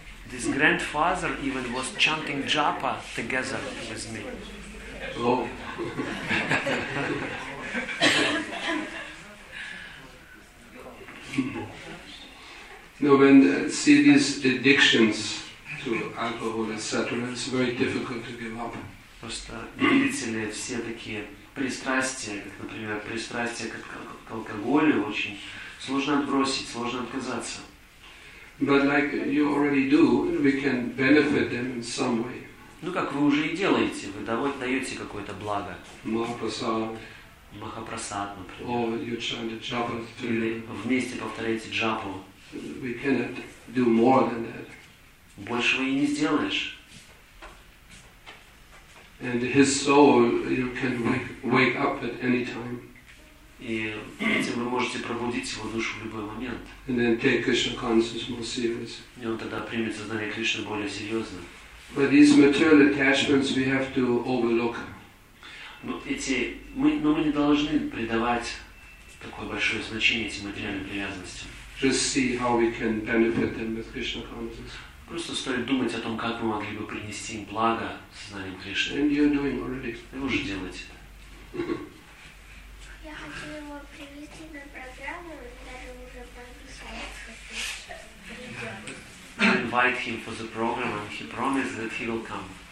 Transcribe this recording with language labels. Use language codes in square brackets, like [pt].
[en] This grandfather even was chanting japa together with me. No, when see these addictions to alcohol, etc., it's very difficult to give up. [ru] Просто видите ли, все такие пристрастия, как, например, пристрастие к алкоголю, очень сложно отбросить, сложно отказаться. [en] But like you already do, we can benefit them in some way. [ru] Ну как вы уже и делаете, вы даете какое-то благо. Махапрасад, например. Или вместе повторяете джапу. [en] We cannot do more than that. [ru] Большего и не сделаешь. [en] And his soul, you can wake up at any time. [ru] И этим вы можете пробудить его душу в любой момент. [en] And then take Krishna consciousness more seriously. [ru] И он тогда примет сознание Кришны более серьезно. [en] But these material attachments we have to overlook. [ru] Но мы не должны придавать такое большое значение этим материальным привязанностям. [en] Just see how we can benefit them with Krishna consciousness. [ru] Просто стоит думать о том, как мы могли бы принести им благо с сознанием Кришны. [en] And you're doing already. [ru] Вы уже делаете это. Я хочу его привести на программу, даже уже пообещал. [en] Invite him for the program and he promised that he will come.